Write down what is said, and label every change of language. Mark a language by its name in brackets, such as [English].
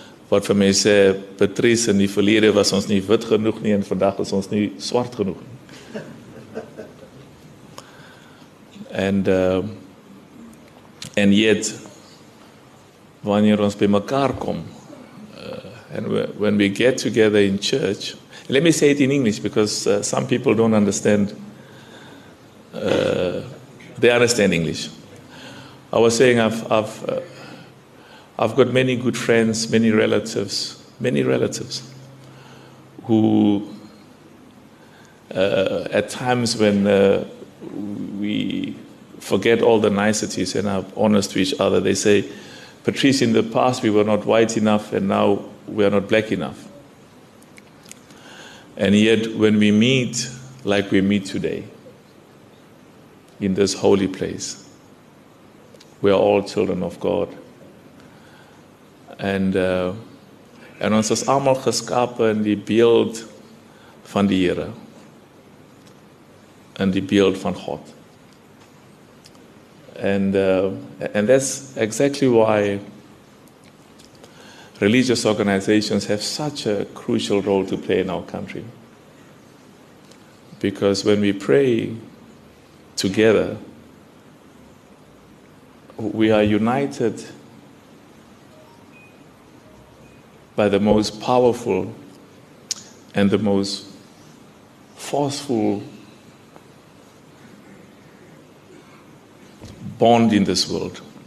[Afrikaans] Wat vir my sê, Patrice, in die verlede was ons nie wit genoeg nie en vandag is ons nie swart genoeg nie. En yet, wanneer ons by mekaar kom, [English] and when we get together in church, let me say it in English because some people don't understand. They understand English. I was saying I've got many good friends, many relatives, who at times when we forget all the niceties and are honest to each other, they say, Patrice, in the past we were not white enough and now we are not black enough. And yet when we meet like we meet today in this holy place, we are all children of God. [Afrikaans] And ons is almal geskape in die beeld van die Here, in die beeld van God. [English] And that's exactly why religious organizations have such a crucial role to play in our country. Because when we pray together, we are united by the most powerful and the most forceful bond in this world.